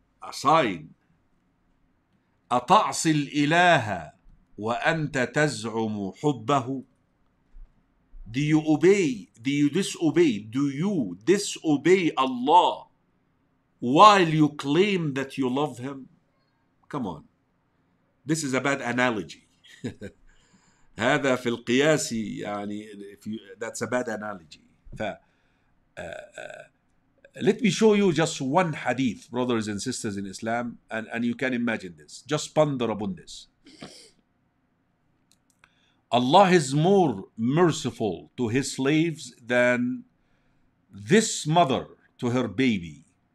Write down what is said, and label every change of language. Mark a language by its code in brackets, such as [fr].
[en] A sign. [ar] Ata'si al-ilaha وأنت تزعم حبه. [en] Do you obey? Do you disobey? Do you disobey Allah while you claim that you love Him? Come on. This is a bad analogy. [ar] هذا في القياس يعني, [en] if you, that's a bad analogy. Let me show you just one hadith, brothers and sisters in Islam, and you can imagine this. Just ponder upon this. Allah is more merciful to His slaves than this mother to her baby.